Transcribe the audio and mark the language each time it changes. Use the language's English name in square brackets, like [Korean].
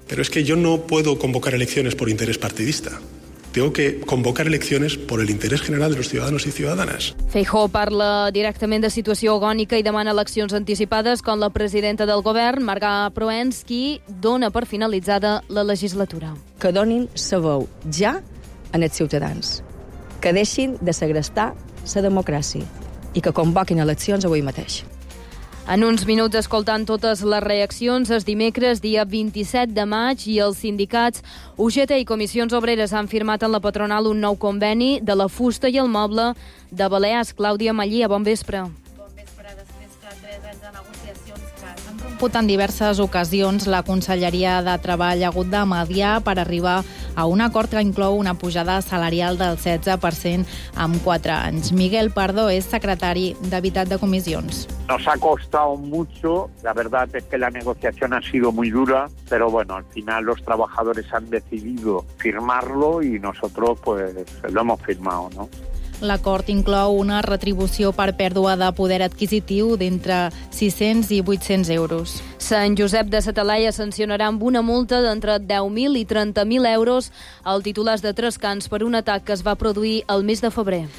[Spanish] Pero es que yo no puedo convocar elecciones por interés partidista. Tengo que convocar elecciones por el interés general de los ciudadanos y ciudadanas. [Catalan] Feijóo parla directament de situació agònica i demana eleccions anticipades, com la presidenta del govern, Marga Proens, qui dona per finalitzada la legislatura. Que donin sa veu ja en els ciutadans. Que deixin de segrestar sa democràcia i que convoquin eleccions avui mateix. En uns minuts, escoltant totes les reaccions, és dimecres, dia 27 de maig, i els sindicats UGT i Comissions Obreres han firmat en la patronal un nou conveni de la fusta i el moble de Balears. Clàudia Mallia, bon vespre. En diverses ocasions, la Conselleria de Treball ha hagut de mediar per arribar a un acord que inclou una pujada salarial del 16% en 4 anys. Miguel Pardo és secretari d'Habitat de Comissions. [Spanish] Nos ha costado mucho, la verdad es que la negociación ha sido muy dura, pero bueno, al final los trabajadores han decidido firmarlo y nosotros pues lo hemos firmado, ¿no? [Catalan] L'acord inclou una retribució per pèrdua de poder adquisitiu d'entre 600 i 800 euros. Sant Josep de sa Talaia sancionarà amb una multa d'entre 10.000 i 30.000 euros al titular de 3 cans per un atac que es va produir el mes de febrer.